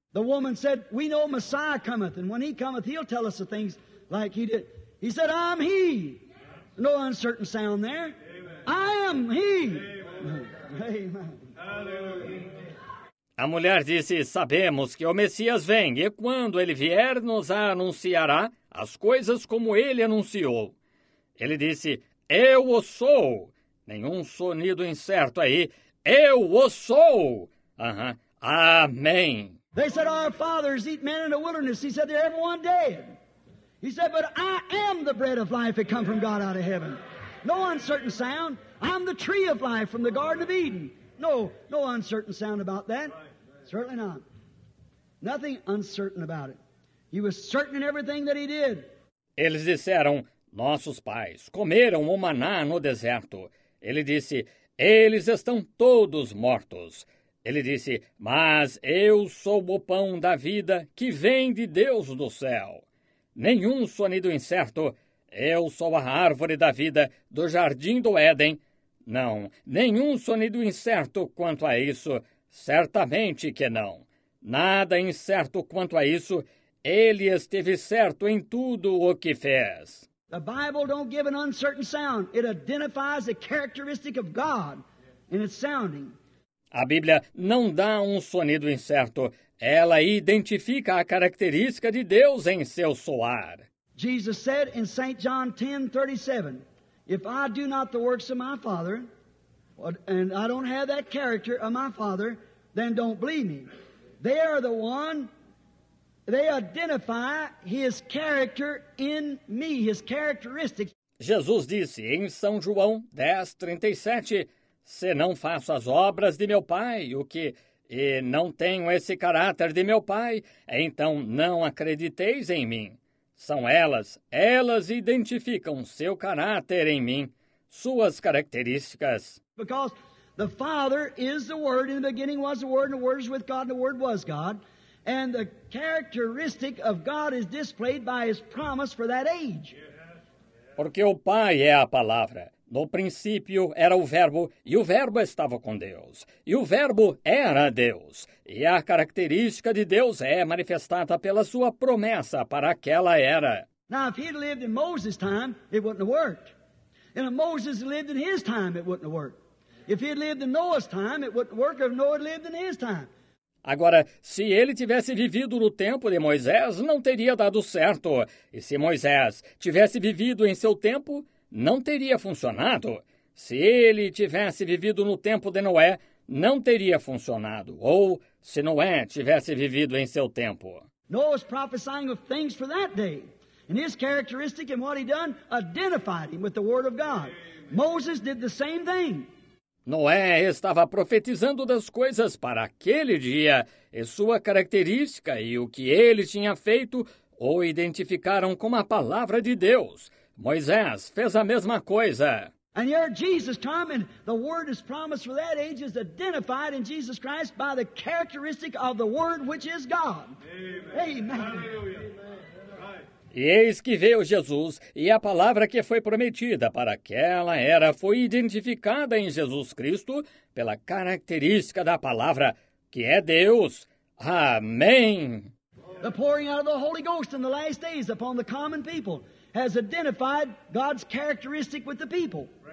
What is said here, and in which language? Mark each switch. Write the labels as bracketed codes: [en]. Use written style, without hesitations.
[en] The woman said, we know Messiah cometh, and when he cometh, he'll tell us the things like he did. He said, I'm he. No uncertain sound there. Amen. I am he. Amen. [pt] A mulher disse, sabemos que o Messias vem, e quando ele vier, nos anunciará as coisas como ele anunciou. Ele disse, eu o sou. Nenhum sonido incerto aí. Eu o sou. Amém. [en] They said, our fathers eat men in the wilderness. He said, they're everyone dead. He said, but I am the bread of life that come from God out of heaven. No uncertain sound. I'm the tree of life from the Garden of Eden. No uncertain sound about that. Certainly not. Nothing uncertain about it. He was certain in everything that he did. [pt] Eles disseram, nossos pais comeram o maná no deserto. Ele disse, eles estão todos mortos. Ele disse, mas eu sou o pão da vida que vem de Deus do céu. Nenhum sonido incerto, eu sou a árvore da vida do jardim do Éden. Não, nenhum sonido incerto quanto a isso, certamente que não. Nada incerto quanto a isso, ele esteve certo em tudo o que fez. [en] The Bible don't give an uncertain sound. It identifies a characteristic of God in its sounding. [pt] A Bíblia não dá sonido incerto. Ela identifica a característica de Deus em seu soar. [en] Jesus said in St. John 10:37, if I do not the works of my Father, and I don't have that character of my Father, then don't believe me. They are the one, they identify his character in me, his characteristics. [pt] Jesus disse em São João 10:37, se não faço as obras de meu Pai, e não tenho esse caráter de meu Pai, então não acrediteis em mim. São elas identificam seu caráter em mim, suas características. [en] Because the Father is the Word, in the beginning was the Word, and the Word is with God, and the Word was God. And the characteristic of God is displayed by His promise for that age. [pt] Porque o Pai é a Palavra. No princípio era o Verbo, e o Verbo estava com Deus. E o Verbo era Deus. E a característica de Deus é manifestada pela sua promessa para aquela era. [en] Now, if he'd lived in Moses' time, it wouldn't have worked. And if Moses lived in his time, it wouldn't have worked. If he'd lived in Noah's time, it wouldn't work if Noah lived in his time. [pt] Agora, se ele tivesse vivido no tempo de Moisés, não teria dado certo. E se Moisés tivesse vivido em seu tempo, não teria funcionado. Se ele tivesse vivido no tempo de Noé, não teria funcionado. Ou se Noé tivesse vivido em seu tempo. [en] Noah's prophesying of things for that day. And his characteristic and what he done identified him with the word of God. Moses did the same thing. [pt] Noé estava profetizando das coisas para aquele dia, e sua característica e o que ele tinha feito o identificaram como a palavra de Deus. Moisés fez a mesma coisa. [en] And here Jesus comes, and the word is promised for that age is identified in Jesus Christ by the characteristic of the word which is God. Amen. Amen. Amen. [pt] E eis que veio Jesus, e a palavra que foi prometida para aquela era foi identificada em Jesus Cristo pela característica da palavra, que é Deus. Amém! [en] The pouring out of the Holy Ghost in the last days upon the common people has identified God's characteristic with the people.